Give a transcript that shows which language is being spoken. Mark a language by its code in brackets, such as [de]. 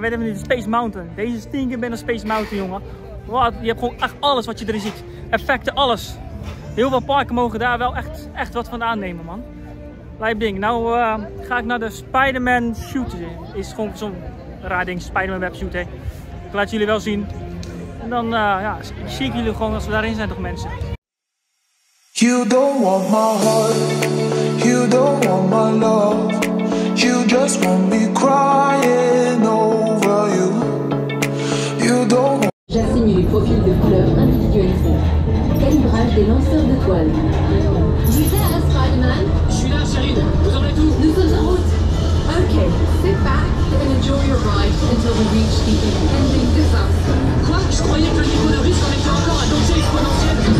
[nl] We hebben nu de Space Mountain. Deze is 10 keer beter dan Space Mountain, jongen. Wat, je hebt gewoon echt alles wat je erin ziet. Effecten, alles. Heel veel parken mogen daar wel echt wat van aannemen, man. Lijp ding. Nou ga ik naar de Spider-Man shooter. Is gewoon zo'n raar ding, Spider-Man web shooter. Ik laat jullie wel zien. En dan zie ik jullie gewoon als we daarin zijn, toch mensen. [en] You don't want my heart, you don't want my love, you just want me crying over you. You don't want. [fr] J'assigne les profils de couleurs individualisés. Calibrage des lanceurs de toile. Tu sais, Spider-Man? Je suis là, Sheridan. Vous en êtes où? Nous sommes en route. [en] Ok, sit back and enjoy your ride until we reach the impending disaster. [fr] Quoi? Je croyais que le niveau de risque en était encore un danger exponentiel.